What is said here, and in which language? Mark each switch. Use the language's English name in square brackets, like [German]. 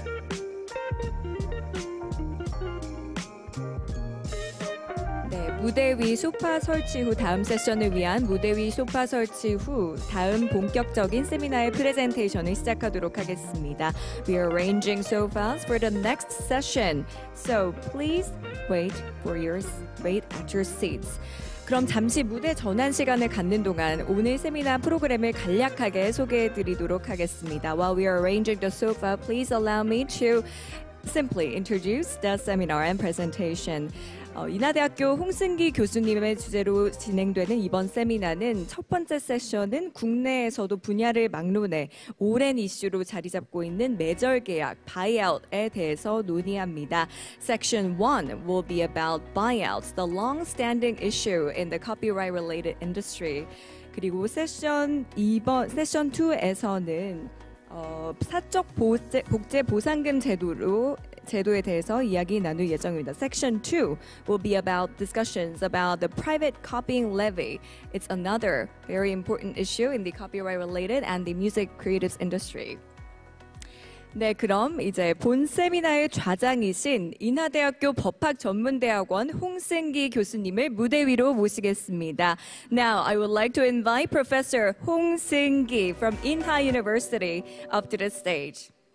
[English] We are arranging sofas for the next session. So please wait at your seats. [Korean] 그럼 잠시 무대 전환 시간을 갖는 동안 오늘 세미나 프로그램을 간략하게 소개해드리도록 하겠습니다. [English] While we are arranging the sofa, please allow me to simply introduce the seminar and presentation. [Korean] 인하대학교 홍승기 교수님의 주제로 진행되는 이번 세미나는 첫 번째 세션은 국내에서도 분야를 막론해 오랜 이슈로 자리 잡고 있는 매절 계약, buyout에 대해서 논의합니다. [English] Section 1 will be about buyouts, the long-standing issue in the copyright-related industry. [Korean] 그리고 세션 2에서는 사적 복제 보상금 제도로 제도에 대해서 이야기 나눌 예정입니다. [English] Section 2 will be about discussions about the private copying levy. It's another very important issue in the copyright related and the music creatives industry. [Korean] 네, 그럼 이제 본 세미나의 좌장이신 인하대학교 법학전문대학원 홍승기 교수님을 무대 위로 모시겠습니다. [English] Now, I would like to invite Professor 홍승기 from Inha University up to the stage.